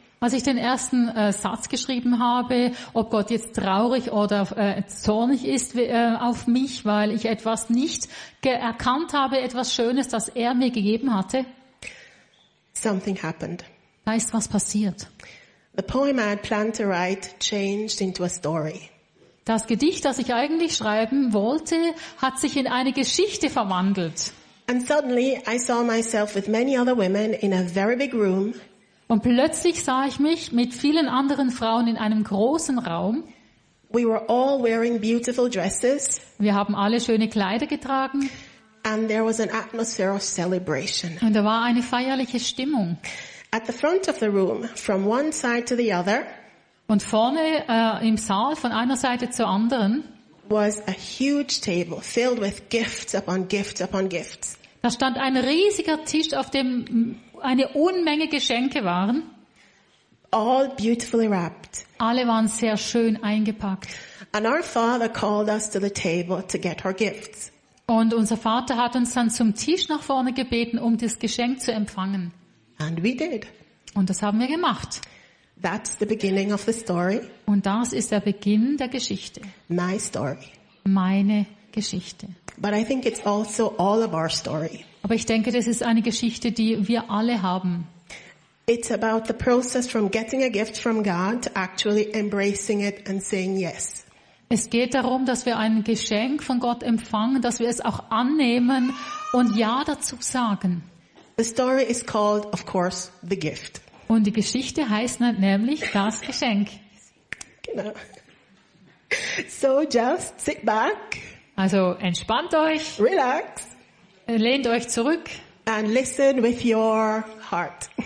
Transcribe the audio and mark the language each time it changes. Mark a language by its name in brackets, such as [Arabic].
[German] Als ich den ersten Satz geschrieben habe, ob Gott jetzt traurig oder zornig ist auf mich, weil ich etwas nicht erkannt habe, etwas Schönes, das er mir gegeben hatte. [English] Something happened. [German] Da ist was passiert. [English] The poem I had planned to write changed into a story. [German] Das Gedicht, das ich eigentlich schreiben wollte, hat sich in eine Geschichte verwandelt. [English] And suddenly I saw myself with many other women in a very big room. [German] Und plötzlich sah ich mich mit vielen anderen Frauen in einem großen Raum. [English] We were all wearing beautiful dresses. [German] Wir haben alle schöne Kleider getragen. [English] And there was an atmosphere of celebration. [German] Und da war eine feierliche Stimmung. [English] At the front of the room, from one side to the other, [German] und vorne im Saal von einer Seite zur anderen, [English] was a huge table filled with gifts upon gifts upon gifts. [German] Da stand ein riesiger Tisch, auf dem eine Unmenge Geschenke waren. [English] All beautifully wrapped. [German] Alle waren sehr schön eingepackt. [English] And our father called us to the table to get our gifts. [German] Und unser Vater hat uns dann zum Tisch nach vorne gebeten, um das Geschenk zu empfangen. [English] And we did. [German] Und das haben wir gemacht. [English] That's the beginning of the story. [German] Und das ist der Beginn der Geschichte. [English] My story. [German] Meine Geschichte. [English] But I think it's also all of our story. [German] Aber ich denke, das ist eine Geschichte, die wir alle haben. [English] It's about the process from getting a gift from God to actually embracing it and saying yes. [German] Es geht darum, dass wir ein Geschenk von Gott empfangen, dass wir es auch annehmen und Ja dazu sagen. [English] The story is called, of course, the gift. [German] Und die Geschichte heißt nämlich das Geschenk. Genau. [English] So just sit back. [German] Also entspannt euch. [English] Relax. [German] Lehnt euch zurück. [English] And listen with your heart.